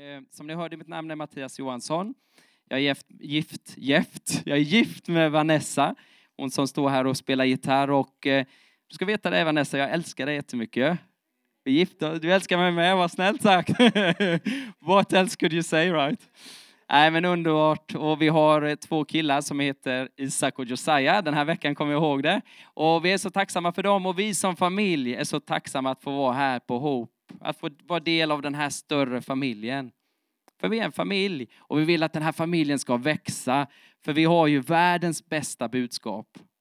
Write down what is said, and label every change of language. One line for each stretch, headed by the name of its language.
Swedish: Som ni hörde, mitt namn är Mattias Johansson. Jag är gift med Vanessa. Hon som står här och spelar gitarr. Och du ska veta det, Vanessa, jag älskar dig jättemycket. Vi är gift, du älskar mig med, vad snällt sagt.
English: What else could you say, right?
Swedish: Nej, men underbart. Och vi har två killar som heter Isak och Josiah. Den här veckan kommer jag ihåg det. Och vi är så tacksamma för dem. Och vi som familj är så tacksamma att få vara här på Hope. Att få vara del av den här större familjen. För vi är en familj. Och vi vill att den här familjen ska växa. För vi har ju världens bästa budskap.